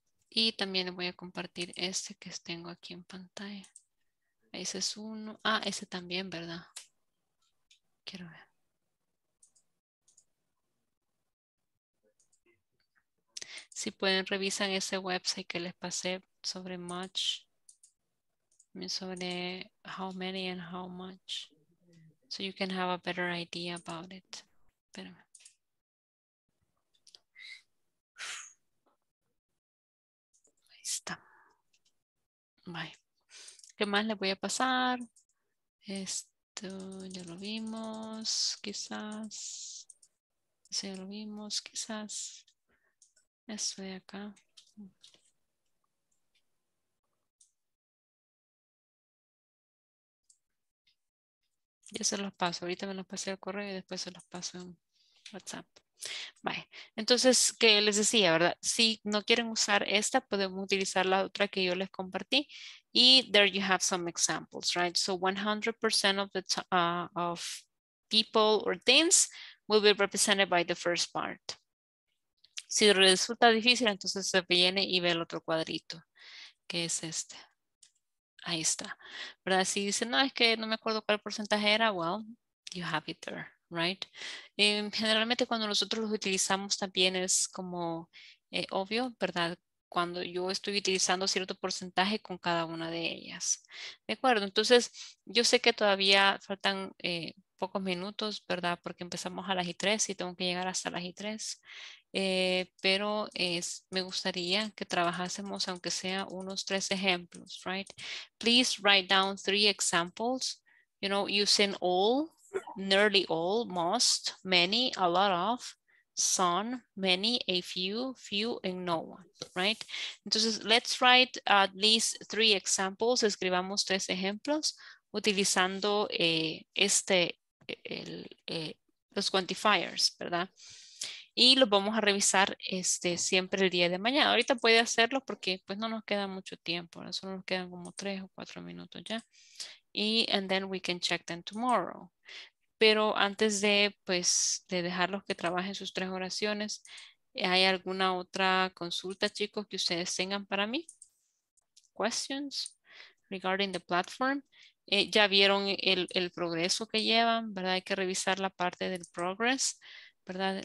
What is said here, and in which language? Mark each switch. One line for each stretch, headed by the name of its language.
Spanish: Y también voy a compartir este que tengo aquí en pantalla. Ese es uno. Ah, ese también, ¿verdad? Quiero ver. Si pueden revisar ese website que les pasé sobre much.
English: Sobre how many and how much, so you can have a better idea about it.
Spanish: Espérame. Ahí está. Bye. ¿Qué más le voy a pasar? Esto ya lo vimos, quizás. servimos quizás esto de acá. Yo se los paso, ahorita me los pasé al correo y después se los paso en WhatsApp. Vale. Entonces, ¿qué les decía, verdad? Si no quieren usar esta, podemos utilizar la otra que yo les compartí.
English: Y there you have some examples, right? So 100% of the of people or things will be represented by the first part.
Spanish: Si resulta difícil, entonces se viene y ve el otro cuadrito, que es este. Ahí está, ¿verdad? Si dice, no, es que no me acuerdo cuál porcentaje era,
English: well, you have it there, right?
Spanish: Generalmente cuando nosotros los utilizamos también es como obvio, ¿verdad? Cuando yo estoy utilizando cierto porcentaje con cada una de ellas, ¿de acuerdo? Entonces, yo sé que todavía faltan pocos minutos, ¿verdad? Porque empezamos a las 3:00 y tengo que llegar hasta las 3:00. Me gustaría que trabajásemos aunque sea unos 3 ejemplos, right?
English: Please write down 3 examples, you know, using all, nearly all, most, many, a lot of, some, many, a few, few, and no one, right?
Spanish: Entonces,
English: let's write at least 3 examples,
Spanish: escribamos 3 ejemplos, utilizando los quantifiers, ¿verdad? Y los vamos a revisar siempre el día de mañana. Ahorita puede hacerlo porque pues no nos queda mucho tiempo. Solo nos quedan como 3 o 4 minutos ya.
English: Y and then we can check them tomorrow.
Spanish: Pero antes de dejarlos que trabajen sus 3 oraciones, ¿hay alguna otra consulta, chicos, que ustedes tengan para mí?
English: Questions regarding the platform.
Spanish: Ya vieron el progreso que llevan, ¿verdad? Hay que revisar la parte del progress, ¿verdad?